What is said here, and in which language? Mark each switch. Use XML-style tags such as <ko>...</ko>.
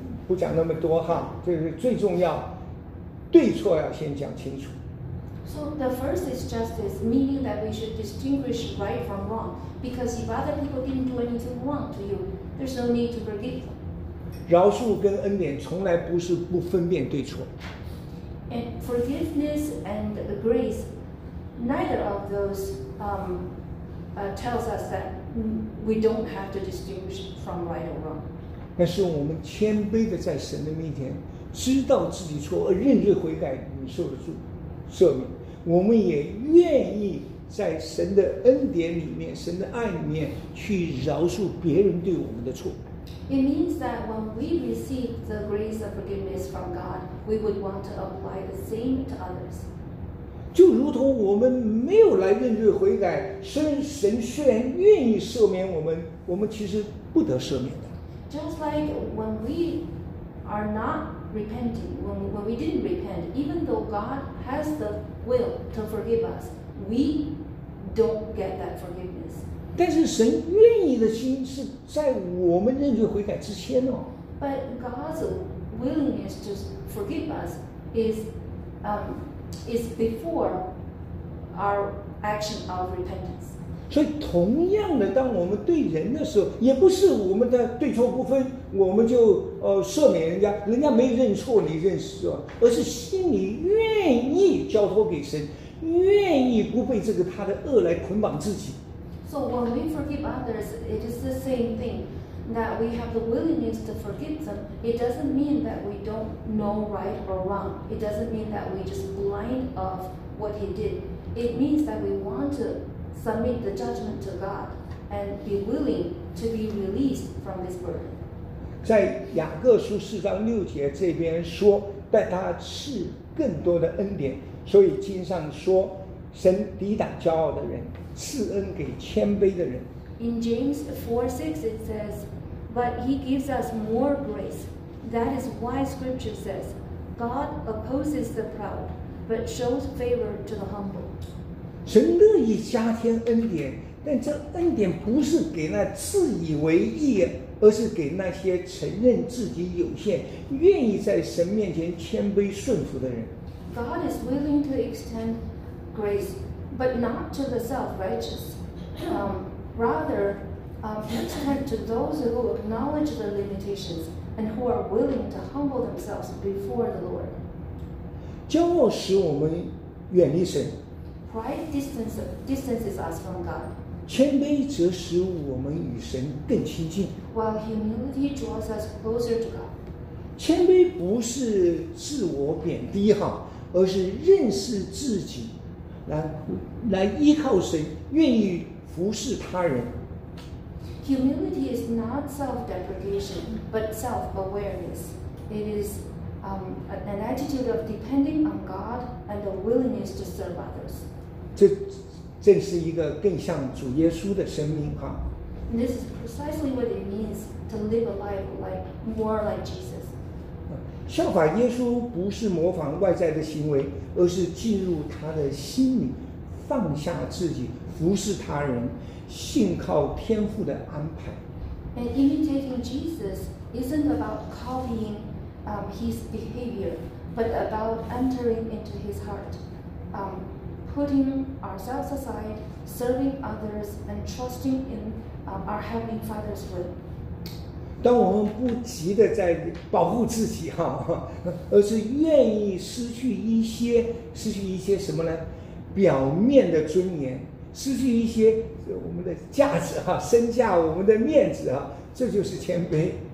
<zh>不讲那么多哈，这是最重要，对错要先讲清楚。</zh> <en>So the first is justice, meaning that we should distinguish right from wrong. Because if other people didn't do anything wrong to you, there's no need to forgive them.</en> <zh>饶恕跟恩典从来不是不分辨对错。</zh> <en>And forgiveness and grace, neither of those tells us that we don't have to distinguish from right or wrong.</en> <zh>那是我们谦卑的在神的面前，知道自己错，而认罪悔改，你受得住。赦免，我们也愿意在神的恩典里面，神的爱里面去饶恕别人对我们的错。</zh> <en>It means that when we receive the grace of forgiveness from God, we would want to apply the same to others.</en> <zh>就如同我们没有来认罪悔改，神虽然愿意赦免我们，我们其实不得赦免的。</zh> <en>Just like when we are not repenting, when we didn't repent, even though God has the will to forgive us, we don't get that forgiveness.</en> <zh>但是神愿意的心是在我们认罪悔改之前哦。</zh> <en>But God's willingness to forgive us is before our action of repentance.</en> <zh>所以同样的，当我们对人的时候，也不是我们的对错不分，我们就赦免人家，人家没认错，你认识啊，而是心里愿意交托给神，愿意不被这个他的恶来捆绑自己。</zh> <en>So when we forgive others, it is the same thing that we have the willingness to forgive them. It doesn't mean that we don't know right or wrong. It doesn't mean that we just blind of what he did. It means that we want to submit the judgment to God and be willing to be released from this burden.</en> <zh>在雅各书四章六节这边说，但他赐更多的恩典，所以经上说，神抵挡骄傲的人，赐恩给谦卑的人。</zh> <en>In James 4:6 it says, but he gives us more grace. That is why Scripture says, God opposes the proud, but shows favor to the humble.</en> <zh>神乐意加添恩典，但这恩典不是给那自以为意。而是给那些承认自己有限，愿意在神面前谦卑顺服的人。</zh> <en>God is willing to extend grace, but not to the self-righteous. Rather, extend to those who acknowledge their limitations and who are willing to humble themselves before the Lord.</en> <zh>骄傲使我们远离神。</zh> <en>Pride distances us from God.</en> <zh>谦卑则使我们与神更亲近。</zh> <en>While humility draws us closer to God.</en> <zh>谦卑不是自我贬低哈，而是认识自己，来依靠神，愿意服侍他人。</zh> <en>Humility is not self-deprecation, but self-awareness. It is an attitude of depending on God and a willingness to serve others.</en> <zh>这是一个更像主耶稣的生命哈。</zh> <en>This is precisely what it means to live a life like more like Jesus.</en> <zh>效法耶稣不是模仿外在的行为，而是进入他的心里，放下自己，服侍他人，信靠天父的安排。</zh> <en>And imitating Jesus isn't about copying his behavior, but about entering into his heart. Putting ourselves aside, serving others, and trusting in our Heavenly Father's will.</en> <zh>当我们不急的在保护自己哈，而是愿意失去一些什么呢？表面的尊严，失去一些我们的价值哈，身价，我们的面子哈，这就是谦卑。</zh>